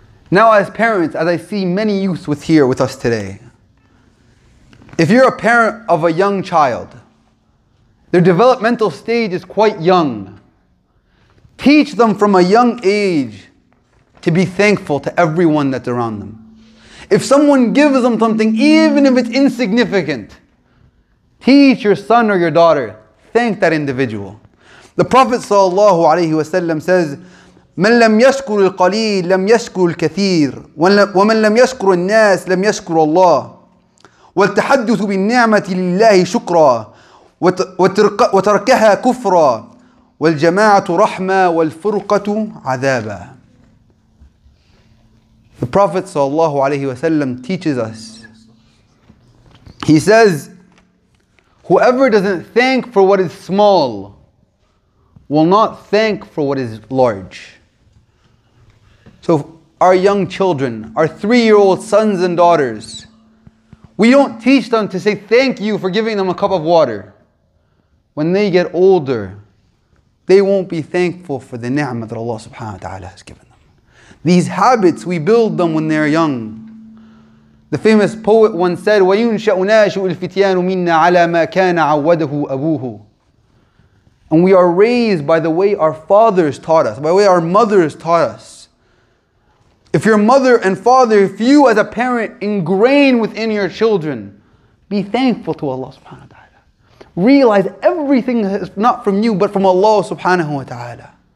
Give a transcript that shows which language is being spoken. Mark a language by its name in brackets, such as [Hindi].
[English] Now, as parents, as I see many youths with us today, if you're a parent of a young child, their developmental stage is quite young. Teach them from a young age to be thankful to everyone that's around them. If someone gives them something, even if it's insignificant, teach your son or your daughter, thank that individual. The Prophet [Arabic] sallallahu alaihi wasallam [English] says, [Arabic] "من لم يشكر القليل لم يشكر الكثير ومن لم يشكر الناس لم يشكر الله والتحدث بالنعمة لله شكرا وتركها كفرا والجماعة رحمة والفرقة عذابا." [English] The Prophet sallallahu alaihi wasallam teaches us. He says, whoever doesn't thank for what is small will not thank for what is large. So our young children, our three-year-old sons and daughters, we don't teach them to say thank you for giving them a cup of water. When they get older, they won't be thankful for the ni'mah that Allah subhanahu wa ta'ala has given them. These habits, we build them when they're young. The famous poet once said, [Arabic] وَيُنْشَأُ نَاشُؤُ الْفِتْيَانُ مِنَّا عَلَى مَا كَانَ عَوَّدَهُ أَبُوهُ. [English] And we are raised by the way our fathers taught us, by the way our mothers taught us. If your mother and father, if you as a parent ingrain within your children, be thankful to Allah subhanahu wa ta'ala. Realize everything is not from you, but from Allah subhanahu wa ta'ala.